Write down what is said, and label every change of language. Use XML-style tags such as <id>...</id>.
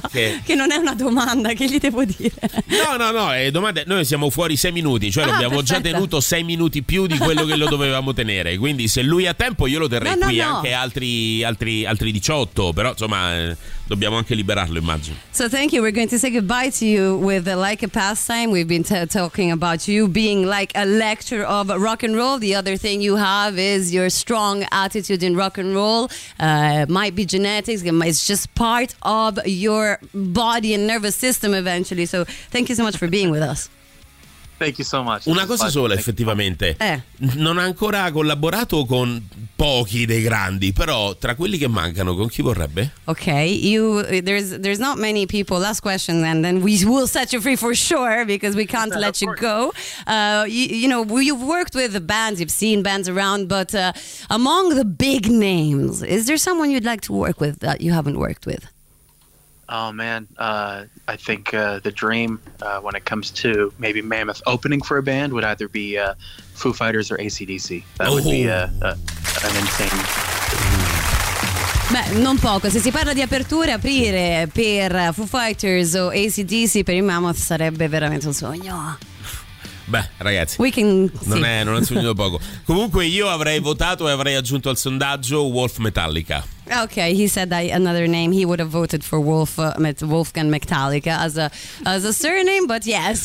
<it>Che non è una domanda, che gli devo dire? No, domande. Noi siamo fuori 6 minuti, cioè l'abbiamo già tenuto 6 minuti più di quello che lo dovevamo tenere. Quindi se lui ha tempo io lo terrei anche altri 18, però insomma dobbiamo anche liberarlo, immagino.</it> <en>So thank you, we're going to say goodbye to you with Like a Pastime. We've been talking about you being like a lecture of rock and roll. The other thing you have is your strong attitude in rock and roll. Might be genetics, it's just part of your body and nervous system eventually. So thank you so much for being with us. Thank you so much.</en> <it>Una cosa sola, effettivamente. Non ha ancora collaborato con pochi dei grandi, però tra quelli che mancano, con chi vorrebbe?</it> <en>Ok, there's not many people. Last question, and then we will set you free for sure, because we can't let you go. You've worked with the bands, you've seen bands around, but among the big names, is there someone you'd like to work with that you haven't worked with? Oh man, I think the dream when it comes to maybe Mammoth opening for a band would either be Foo Fighters or AC/DC. That would be an insane.</en> <it>Beh, non poco. Se si parla di aperture, aprire per Foo Fighters o AC/DC per i Mammoth sarebbe veramente un sogno. Beh, ragazzi, non è sognato poco. Comunque io avrei votato e avrei aggiunto al sondaggio Wolf Metallica.</it> <en>Ok, he said another name. He would have voted for Wolfgang Metallica as a surname, but yes.</en>